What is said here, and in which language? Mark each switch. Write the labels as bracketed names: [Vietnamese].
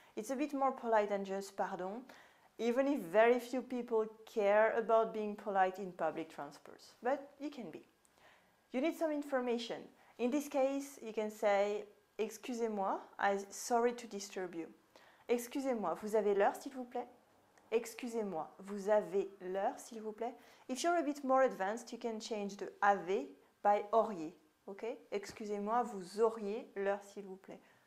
[English] It's a bit more polite than just pardon, even if very few people care about being polite in public transports. But you can be. You need some information. In this case, you can say [French] excusez-moi, [English] as sorry to disturb you. [French] Excusez-moi, vous avez l'heure s'il vous plaît? Excusez-moi, vous avez l'heure s'il vous plaît? [English] If you're a bit more advanced, you can change the avez by auriez. Okay? [French] Excusez-moi, vous auriez l'heure s'il vous plaît.